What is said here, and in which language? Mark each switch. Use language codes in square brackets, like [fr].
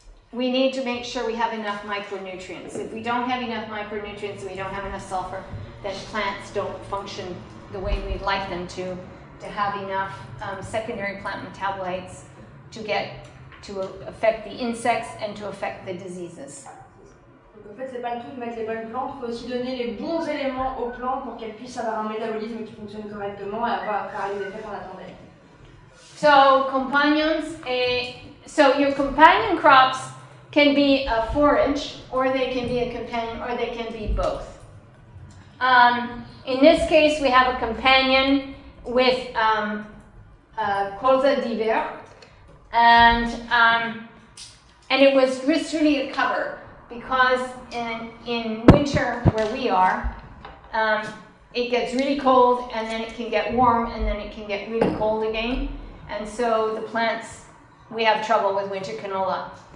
[en] We need to make sure we have enough micronutrients. If we don't have enough micronutrients and we don't have enough sulfur, then plants don't function the way we'd like them to have enough secondary plant metabolites to get to affect the insects and to affect the diseases. [fr] Donc en fait, c'est pas le tout de mettre les bonnes plantes, il faut aussi donner les bons éléments aux plantes pour qu'elles puissent avoir un métabolisme qui fonctionne correctement et avoir les effets qu'on attendait. [en] So, [fr] compagnons et... [en] So your companion crops can be a forage, or they can be a companion, or they can be both. In this case, we have a companion with [fr] colza d'hiver, [en] and it was really a cover, because in winter, where we are, it gets really cold, and then it can get warm, and then it can get really cold again, and so the plants, we have trouble with winter canola.